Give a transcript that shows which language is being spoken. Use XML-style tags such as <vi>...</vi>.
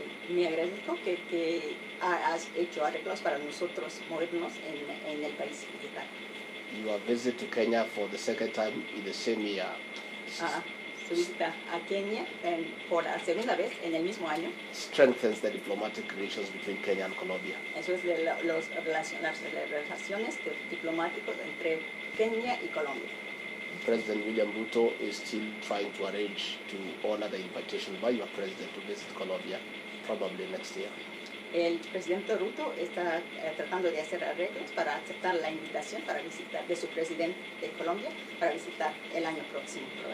<es>Me agradezco que has hecho arreglos para nosotros movernos en el país.</es> <en>Your visit to Kenya for the second time in the same year.</en> <es>Su visita a Kenya por la segunda vez en el mismo año.</es> <en>Strengthens the diplomatic relations between Kenya and Colombia.</en> <es>Eso es de las relaciones diplomáticas entre Kenya y Colombia.</es> <en>President William Ruto is still trying to arrange to honor the invitation by your president to visit Colombia, probably next year.</en> <es>El presidente Ruto está tratando de hacer arreglos para aceptar la invitación para visitar de su presidente de Colombia para visitar el año próximo.</es>